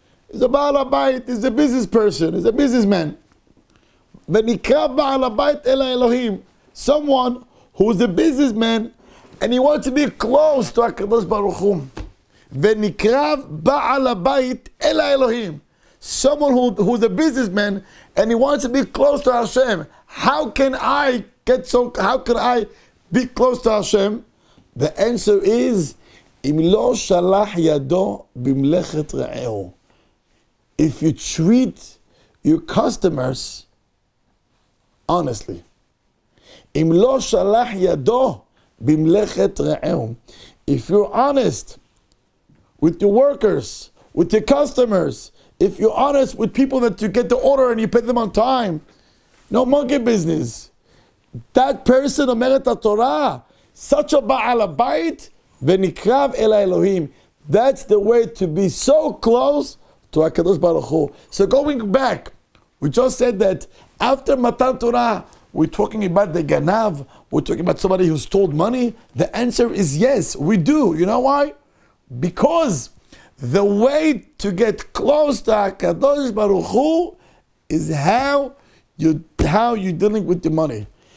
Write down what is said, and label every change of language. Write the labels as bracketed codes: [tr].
[en] He's a Baal HaBayit, he's a business person, he's a businessman. [he] V'nikra Baal HaBayit El HaElohim, [en] someone who's a businessman and he wants to be close to HaKadosh Baruch Hu. [he] V'nikra Baal HaBayit El HaElohim, [en] someone who's a businessman and he wants to be close to Hashem. How can I get so, how can I be close to Hashem? The answer is, [he] אם לא שלח ידו במלאכת רעהו. [en] If you treat your customers honestly, [he] אם לא שלח ידו במלאכת רעהו, [en] if you're honest with your workers, with your customers, if you're honest with people that you get the order and you pay them on time, no monkey business. That person [he] אומרת התורה, [en] such a [he] בעל הבית, ונקרב אל האלוהים. [en] That's the way to be so close to HaKadosh Baruch Hu. So going back, we just said that after Matan Torah, we're talking about the ganav, we're talking about somebody who stole money. The answer is yes, we do. You know why? Because the way to get close to HaKadosh Baruch Hu is how you're dealing with the money.